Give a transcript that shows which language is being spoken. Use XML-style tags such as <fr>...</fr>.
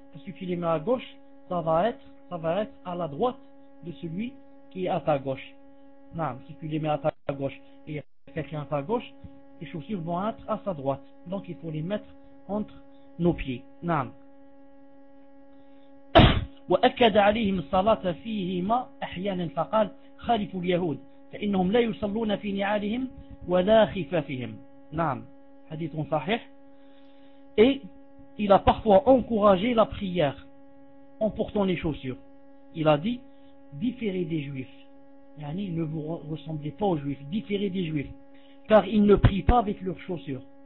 <fr>Parce que si tu les mets à gauche, ça va être à la droite de celui qui est à ta gauche. Non, si tu les mets à ta gauche et quelqu'un à ta gauche, les chaussures vont être à sa droite. Donc il faut les mettre entre nos pieds. Non.</fr> <ar>وأكد عليهم الصلاة فيهما أحيانا فقال خالفوا اليهود فإنهم لا يصلون في نعالهم ولا خفافهم.</ar> <fr>Non. Hadith صحيح. Et il a parfois encouragé la prière en portant les chaussures. Il a dit, différez des juifs. Yani, ne vous ressemblez pas aux juifs, différez des juifs, car ils ne prient pas avec leurs chaussures.</fr>